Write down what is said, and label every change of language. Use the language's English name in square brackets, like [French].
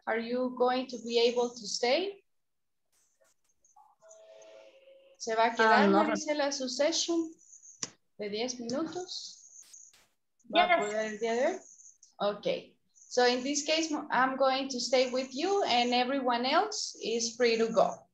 [English] Are you going to be able to stay? [Spanish] ¿Se va a quedar, Marisela, su session de 10 minutos? [English] Yes. [Spanish] ¿Va a poder el día de hoy? Okay. [English] So in this case, I'm going to stay with you and everyone else is free to go.